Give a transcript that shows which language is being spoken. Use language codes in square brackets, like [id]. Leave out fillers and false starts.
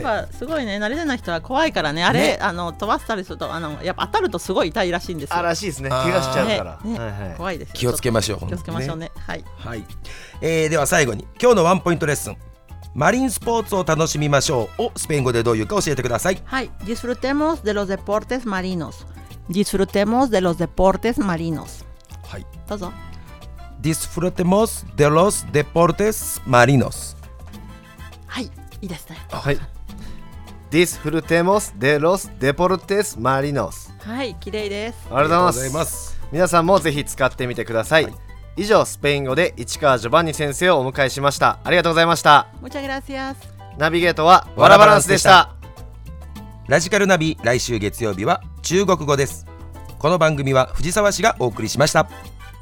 [ja] やっぱすごいね、慣れてない人は怖いからね、あれね、飛ばしたりするとやっぱ当たるとすごい痛いらしいんですよ。あ、らしいですね、怪我しちゃうから、ね、はいはい、怖いです。気をつけましょう、気をつけましょう ね、はい、はい。では最後に今日のワンポイントレッスン、マリンスポーツを楽しみましょうをスペイン語でどういうか教えてください。 [es] はい、Disfrutemos de los deportes marinos. Disfrutemos de los deportes marinos. [ja] はい、どうぞ。 [es] Disfrutemos de los deportes marinos. [ja] はい、いいですね。はい。 [es] Disfrutemos de los deportes marinos. [ja] はい、綺麗です。ありがとうございます。皆さんもぜひ使ってみてください。はい、以上、スペイン語で市川ジョバンニ先生をお迎えしました。ありがとうございました。 [es] Muchas gracias. [ja] ナビゲートはワラバランスでした。ラジカルナビ、来週月曜日は中国語です。この番組は藤沢市がお送りしました。